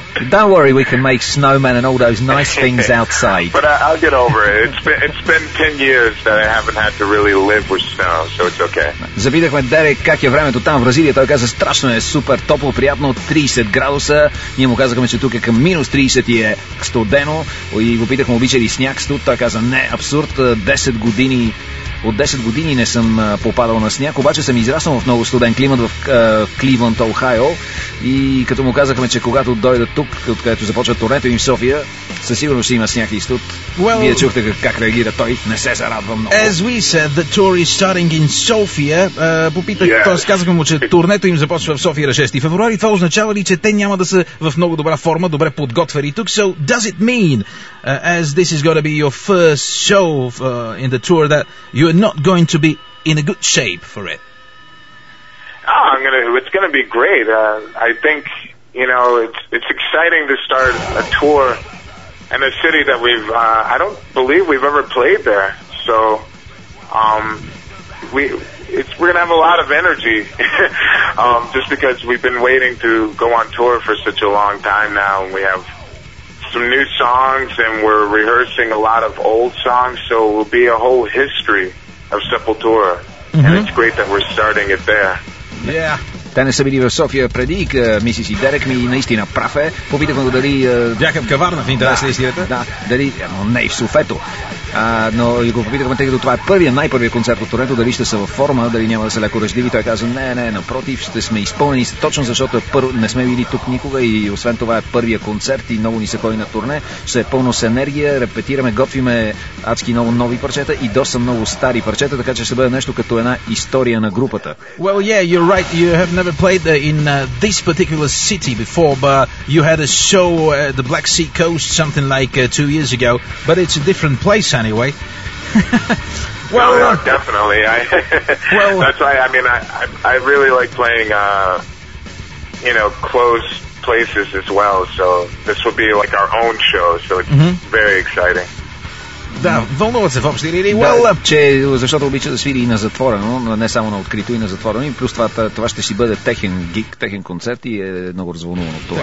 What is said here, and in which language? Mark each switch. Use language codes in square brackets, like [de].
[en] Don't worry, we can make snowmen and all those nice things outside. But I'll get over it. It's been 10 years that I haven't had to really live with snow, so it's okay. [bg] Видяхме Дерек как е времето там в Бразилия. Той каза, страшно е, супер, топло, приятно, 30 градуса. Ние му казахме, че тук е към минус 30 и е студено. И го питахме, обича ли сняг студ. Той каза, не, абсурд, 10 години, от 10 години не съм попадал на сняг. Обаче съм израснал в много студен климат в Кливланд, Охайо. И като му казахме, че когато дойда тук, откъдето започва турнето им в София, със сигурност ще има сняг и студ. [en] Well, [bg] вие чухте как реагира той, не се зарадва много. [en] As we said, the tour is starting in Sofia. [bg] Попитах, [en] yes. [bg] Тоест казах му, че турнето им започва в София на 6 февруари. Това означава ли, че те няма да са в много добра форма, добре подготвени тук? [en] So, does it mean, as this is going to be your first show in the tour, that you are not going to be in a good shape for it? It's going to be great. I think, you know, it's exciting to start a tour in a city that I don't believe we've ever played there. So, we're going to have a lot of energy just because we've been waiting to go on tour for such a long time now, and we have some new songs and we're rehearsing a lot of old songs, so it will be a whole history of Sepultura. Mm-hmm. And it's great that we're starting it there. Yeah. [bg] Те не са били в София преди, мисли си Дерек, ми наистина прав е. Попитахме го дали... Бяха в Каварна, в интерес ли истината? Да, дали... Но не и в Софето. Но го попитахме, тъй като това е първият, най-първият концерт от турнето, дали ще са във форма, дали няма да са леко ръждиви. Той каза, не, напротив, ще сме изпълнени, точно защото не сме били тук никога и освен това е първият концерт и много ни са ходи на турне. Ще е пълно с енергия, репетираме, готвиме адски много нови парчета и доста много стари парчета, така че ще бъде нещо като една история на групата. [en] Well, yeah, you're right. You have never played in this particular city before, but you had a show at the Black Sea Coast something like 2 years ago, but it's a different place anyway. Well, no, definitely. That's why, I mean, I really like playing, you know, close places as well, so this would be like our own show, so it's mm-hmm. very exciting. [bg] Да, вълнуват се в общи линии. Защото обича да свири и на затворено, не само на открито и на затворено. И плюс това ще си бъде техен гик, техен концерт и е много развълнувано това.